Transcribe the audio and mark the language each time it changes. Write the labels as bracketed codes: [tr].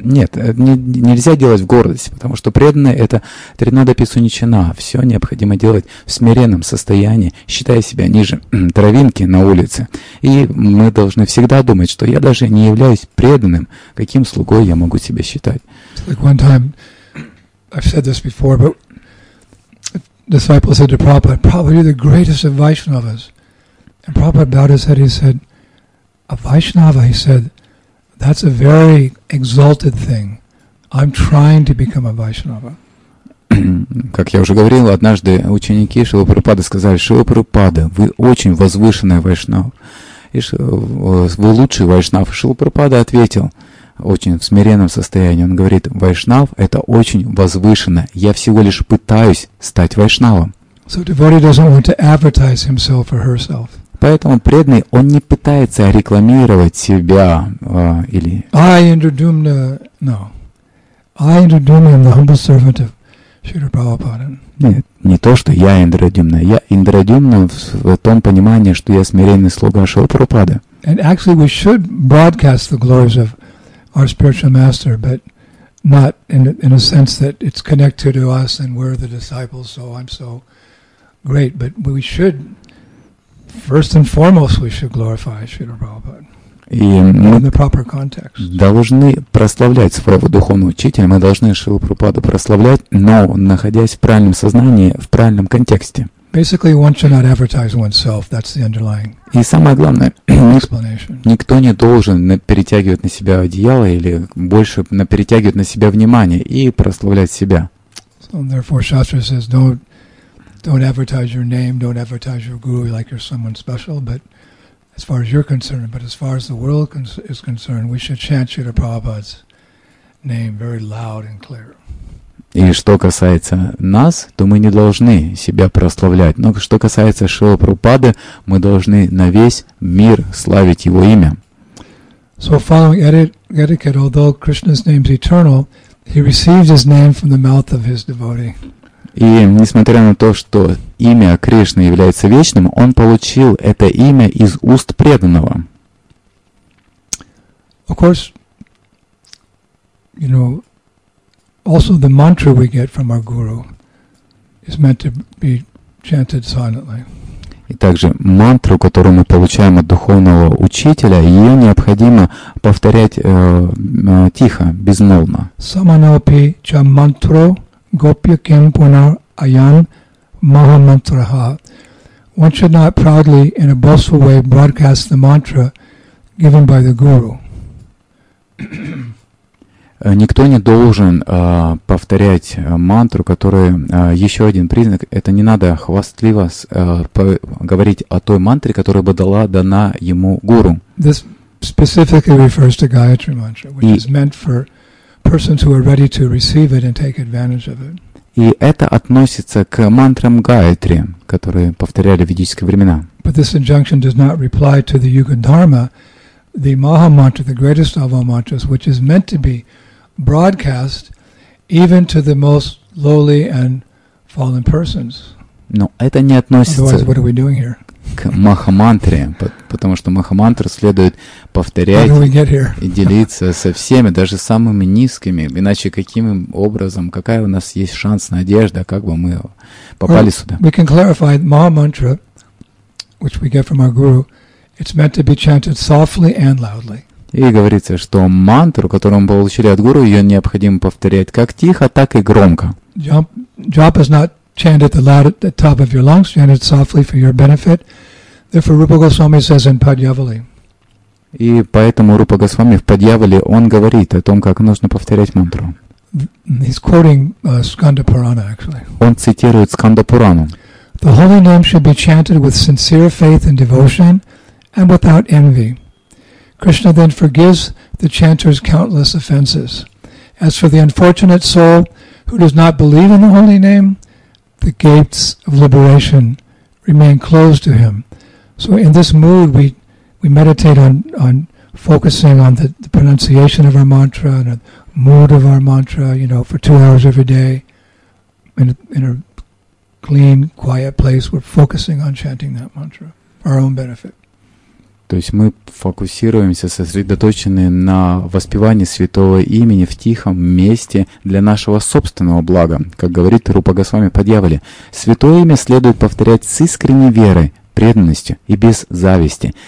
[ru] Нет, нельзя делать в гордости, потому что преданное — это Тринада Писуничина. Все необходимо делать в смиренном состоянии, считая себя ниже травинки на улице. И мы должны всегда думать, что я даже не являюсь преданным. Каким слугой я могу себя считать? [en] Like one time, I've said this before, but... Disciple said to Prabhupada, Prabhupada, you're the greatest of Vaishnavas. And Prabhupada bowed his head, he said, a Vaishnava, he said, that's a very exalted thing. I'm trying to become a Vaishnava. [ru] Как я уже говорил, однажды ученики Шрилы Прабхупады сказали, Шрила Прабхупада, вы очень возвышенная Вайшнава. И вы лучший Вайшнав. Шрила Прабхупада ответил, очень в смиренном состоянии. Он говорит, вайшнав — это очень возвышенно. Я всего лишь пытаюсь стать вайшнавом. [en] So devotee doesn't want to advertise himself or herself. [ru] Поэтому преданный, он не пытается рекламировать себя или... Нет, не то, что я Индрадюмна. Я Индрадюмна в том понимании, что я смиренный слуга Шрилы Прабхупады. [en] And actually we should broadcast the glories of our spiritual master, but not in, in a sense that it's connected to us and we're the disciples, so I'm so great. But we should, first and foremost, we should glorify Srila Prabhupada in the proper context. [ru] Мы должны прославлять своего духовного учителя, мы должны Шрилу Прабхупаду прославлять, но находясь в правильном сознании, в правильном контексте. [en] Basically, one should not advertise oneself. That's the underlying explanation. [ru] И самое главное, никто не должен перетягивать на себя одеяло или больше перетягивать на себя внимание и прославлять себя. [en] So, therefore, Shastra says, don't advertise your name, don't advertise your guru like you're someone special. But as far as you're concerned, but as far as the world is concerned, we should chant Srila Prabhupada's name very loud and clear. [ru] И что касается нас, то мы не должны себя прославлять. Но что касается Шрилы Прабхупады, мы должны на весь мир славить Его имя. [en] So following etiquette, although Krishna's name is eternal, He received His name from the mouth of His devotee. [ru] И несмотря на то, что имя Кришны является вечным, Он получил это имя из уст преданного. [en] Of course, you know, also, the mantra we get from our guru is meant to be chanted silently. [ru] И также мантру, которую мы получаем от духовного учителя, ее необходимо повторять тихо, безмолвно. [sa] Саманопи ча мантро гопьяким пунар аян маха мантраха. [en] One should not proudly, in a boastful way, broadcast the mantra given by the guru. [ru] Никто не должен повторять мантру, которая еще один признак. Это не надо хвастливо говорить о той мантре, которая бы дана ему гуру. [en] This specifically refers to Gayatri mantra, which is meant for persons who are ready to receive it and take advantage of it. [ru] И это относится к мантрам Гайатри, которые повторяли в ведические времена. [en] But this injunction does not reply to the Yuga Dharma, the Maha mantra, the greatest of all mantras, which is meant to be broadcast even to the most lowly and fallen persons. [ru] Но это не относится. [en] Otherwise, what are we doing here? [ru] К махамантре, потому что махамантру следует повторять и делиться со всеми, даже самыми низкими. Иначе каким образом, какая у нас есть шанс, надежда, как бы мы попали сюда? [en] We can clarify Maha mantra, which we get from our guru. It's meant to be chanted softly and loudly. [ru] И говорится, что мантру, которую мы получили от гуру, ее необходимо повторять как тихо, так и громко. [en] Japa is not chanted at the loud at the top of your lungs, chanted softly for your benefit. Therefore, Rupa Goswami says in Padyavali. [ru] И поэтому Рупа Госвами в Падьявале он говорит о том, как нужно повторять мантру. [en] He's quoting Skanda Purana, actually. [ru] Он цитирует Сканда Пурану. [en] The holy name should be chanted with sincere faith and devotion, and without envy. Krishna then forgives the chanter's countless offenses. As for the unfortunate soul who does not believe in the holy name, the gates of liberation remain closed to him. So in this mood, we meditate on focusing on the pronunciation of our mantra and the mood of our mantra, you know, for 2 hours every day in a clean, quiet place. We're focusing on chanting that mantra for our own benefit. [ru] То есть мы фокусируемся, сосредоточены на воспевании святого имени в тихом месте для нашего собственного блага. Как говорит Рупа Госвами Падьявали, святое имя следует повторять с искренней верой, преданностью и без зависти.